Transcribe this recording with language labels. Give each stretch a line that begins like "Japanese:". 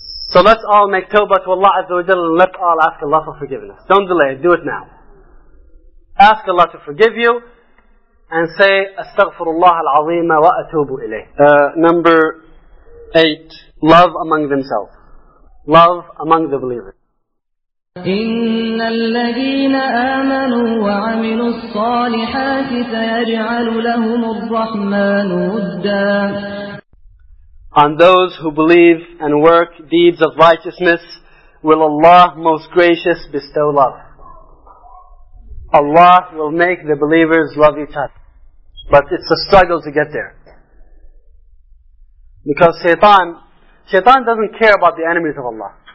English: So let's all make tawbah to Allah Azza wa Jalla and let's all ask Allah for forgiveness. Don't delay, do it now. Ask Allah to forgive you and say,
Arabic: Astaghfirullah al-Azim wa atubu ilayh.
English: Number 8, love among themselves. Love among the believers.
Arabic: إن الذين آمنوا وعملوا الصالحات سيجعل لهم الرحمن ودا.
English: On those who believe and work deeds of righteousness, will Allah most gracious bestow love. Allah will make the believers love each other. But it's a struggle to get there. Because Shaitan doesn't care about the enemies of Allah.